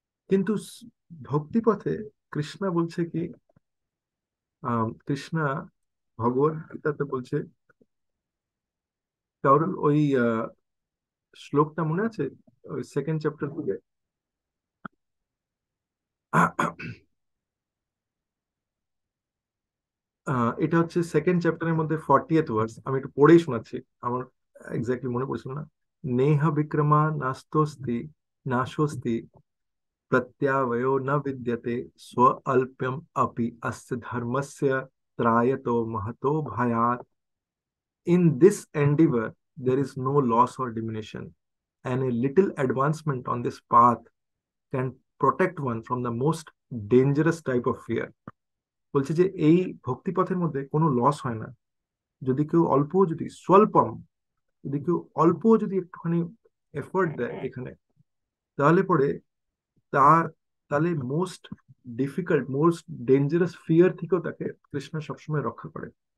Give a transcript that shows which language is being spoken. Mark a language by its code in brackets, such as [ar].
[bn] কিন্তু ভক্তিপথে কৃষ্ণা বলছে কি, কৃষ্ণা ভগবদ গীতাতে বলছে, কারণ ওই শ্লোকটা মনে আছে ওই সেকেন্ড চ্যাপ্টার থেকে, এটা হচ্ছে সেকেন্ড চ্যাপ্টারের মধ্যে 40th verse, আমি একটু পড়েই শোনাচ্ছি, আমার এক্সাক্টলি মনে পড়ছিল না। [sa] নেহ বিক্রমা নাস্তোস্তি নাশোস্তি প্রত্যাবয়ো না বিদ্যতে স্ব অল্পম অপি অস্য ধর্মস্য ত্রায়তো মহতো ভয়াৎ। [en] in this endeavor, there is no loss or diminution, and a little advancement on this path can protect one from the most dangerous type of fear. [bn] বলছে যে এই ভক্তি পথের মধ্যে কোনো লস হয় না, যদি কেউ অল্প যদি স্বল্পম যদি কেউ অল্প যদি একটুখানি এফোর্ট দেয় এখানে, তাহলে পরে তার তাহলে most difficult most dangerous fear থেকেও তাকে কৃষ্ণ সবসময় রক্ষা করে।